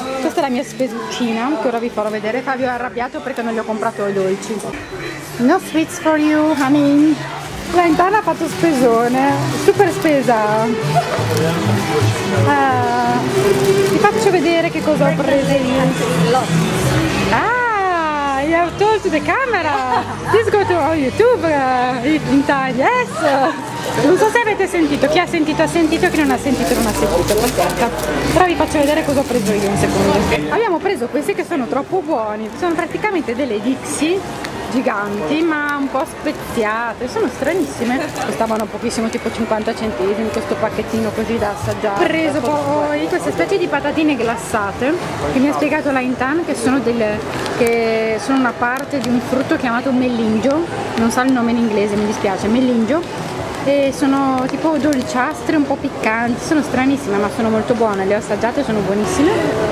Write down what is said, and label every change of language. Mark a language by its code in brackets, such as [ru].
[it] Questa è la mia spesuccina, che ora vi farò vedere. Fabio è arrabbiato perché non gli ho comprato i dolci. [en] No sweets for you, honey. [it] La intana ha fatto spesone, super spesa. Ti faccio vedere che cosa ho preso io. [en] You have told to the camera, this go to YouTube in time, yes! [it] Non so se avete sentito, chi ha sentito, chi non ha sentito, non ha sentito, perfetto. Però vi faccio vedere cosa ho preso io un secondo. Abbiamo preso questi che sono troppo buoni, sono praticamente delle Dixie giganti, ma un po' speziate, sono stranissime. Costavano pochissimo, tipo 50 centesimi, questo pacchettino così da assaggiare. Ho preso poi queste specie di patatine glassate, che mi ha spiegato la Intan, che sono una parte di un frutto chiamato melingio, non sa il nome in inglese, mi dispiace, melingio, e sono tipo dolciastre, un po' piccanti, sono stranissime, ma sono molto buone, le ho assaggiate, sono buonissime.